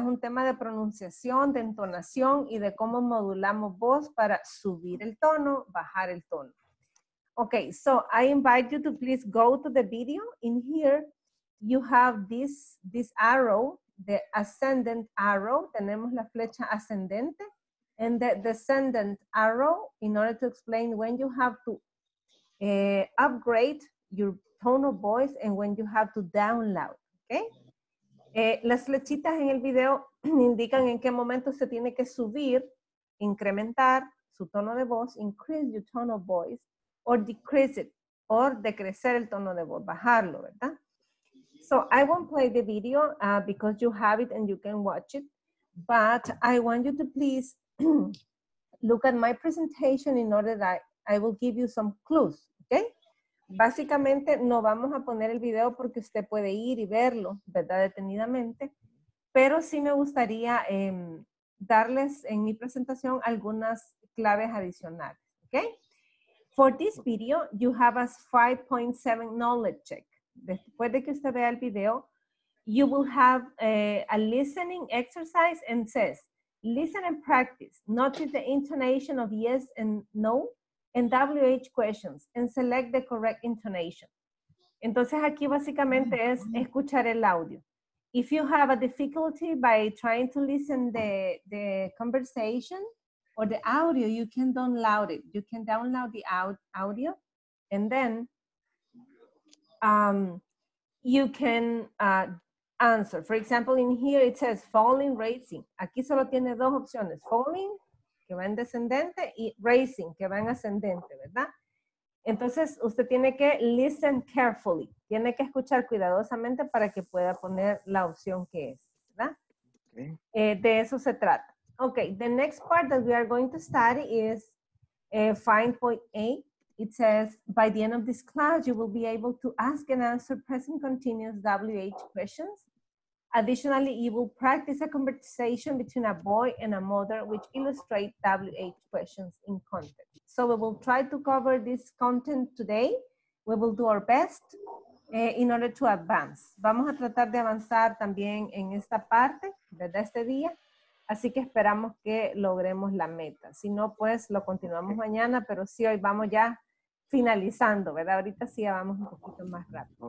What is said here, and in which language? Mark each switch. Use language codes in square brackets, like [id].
[es] Es un tema de pronunciación, de entonación y de cómo modulamos voz para subir el tono, bajar el tono. [en] Okay, so I invite you to please go to the video in here. You have this arrow, the ascendant arrow. [es] Tenemos la flecha ascendente. [en] And the descendant arrow, in order to explain when you have to upgrade your tone of voice and when you have to download, okay? [es] Las flechitas en el video indican en qué momento se tiene que subir, incrementar su tono de voz, [en] increase your tone of voice, [es] or decrease it, or decrecer el tono de voz, bajarlo, ¿verdad? [en] So I won't play the video because you have it and you can watch it, but I want you to please look at my presentation in order that I will give you some clues, okay? [es] Básicamente, no vamos a poner el video porque usted puede ir y verlo, ¿verdad? Detenidamente. Pero sí me gustaría darles en mi presentación algunas claves adicionales, okay? [en] For this video, you have a 5.7 knowledge check. [es] Después de que usted vea el video, [en] you will have a listening exercise and says, listen and practice, notice the intonation of yes and no, and WH questions, and select the correct intonation. [es] Entonces aquí básicamente es escuchar el audio. [en] If you have a difficulty by trying to listen the conversation or the audio, you can download it. You can download the audio, and then you can answer. For example, in here it says falling, racing. [es] Aquí solo tiene dos opciones, falling, que va en descendente, y racing, que va en ascendente, ¿verdad? Entonces, usted tiene que [en] listen carefully. [es] Tiene que escuchar cuidadosamente para que pueda poner la opción que es, ¿verdad? Okay. De eso se trata. [en] Okay, the next part that we are going to study is 5.8. It says, by the end of this class, you will be able to ask and answer present continuous WH questions. Additionally, you will practice a conversation between a boy and a mother which illustrate WH questions in context. So we will try to cover this content today. We will do our best in order to advance. [es] Vamos a tratar de avanzar también en esta parte, ¿verdad? Este día. Así que esperamos que logremos la meta. Si no, pues lo continuamos mañana, pero sí hoy vamos ya finalizando, ¿verdad? Ahorita sí ya vamos un poquito más rápido.